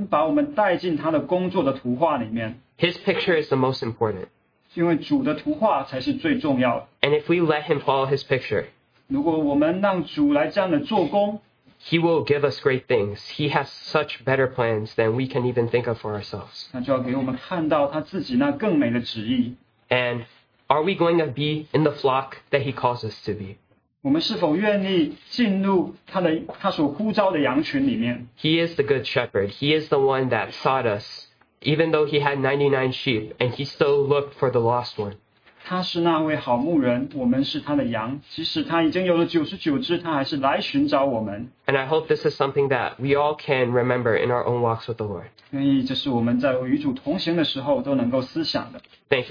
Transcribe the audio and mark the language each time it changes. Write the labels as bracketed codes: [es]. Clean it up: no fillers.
[zh] 我们是否愿意思想让神把我们带进他的工作的图画里面？ [en] His picture is the most important. [zh] 因为主的图画才是最重要的。 [en] And if we let Him follow His picture, [zh] 如果我们让主来这样的做工, [en] He will give us great things. He has such better plans than we can even think of for ourselves. [zh] 那就要给我们看到他自己那更美的旨意。 [en] And are we going to be in the flock that He calls us to be? [zh] 我们是否愿意进入他所呼召的羊群里面? [en] He is the good shepherd. He is the one that sought us. Even though He had 99 sheep, and He still looked for the lost one. [zh] 他是那位好牧人，我们是他的羊。即使他已经有了99只，他还是来寻找我们。 And I hope this is something that we all can remember in our own walks with the Lord. 愿意，这是我们在与主同行的时候都能够思想的。 [en] Thank